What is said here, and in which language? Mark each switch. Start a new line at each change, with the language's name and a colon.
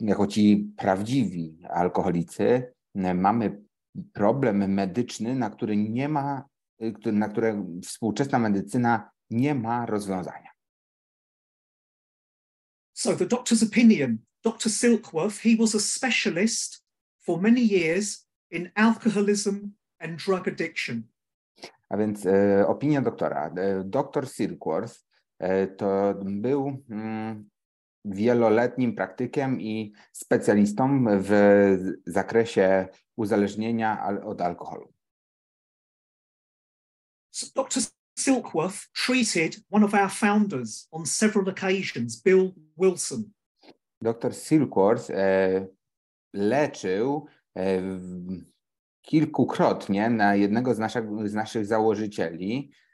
Polish: Jako ci prawdziwi alkoholicy mamy problem medyczny, na który współczesna medycyna nie ma rozwiązania.
English: So the doctor's opinion, Dr. Silkworth, he was a specialist for many years in alcoholism and drug addiction.
Polish: A więc opinia doktora. Dr. Silkworth to był wieloletnim praktykiem i specjalistą w zakresie uzależnienia od alkoholu.
English: So Dr. Silkworth treated one of our founders on several occasions, Bill Wilson.
Polish: Dr. Silkworth leczył kilkukrotnie na jednego z naszych założycieli.